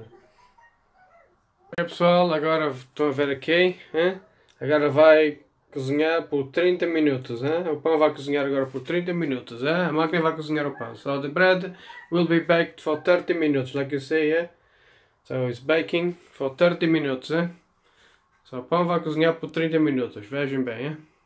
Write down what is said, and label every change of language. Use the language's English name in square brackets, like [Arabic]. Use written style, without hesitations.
[Portuguese] Olha, pessoal, agora estou a ver aqui, eh? Agora vai... cozinhar por 30 minutos, hein? O pão vai cozinhar agora por 30 minutos, hein? A máquina vai cozinhar o pão. [English] So the bread will be baked for 30 minutes, like you say, yeah? So it's baking for 30 minutes, hein? [Portuguese] So o pão vai cozinhar por 30 minutos, vejam bem, hein?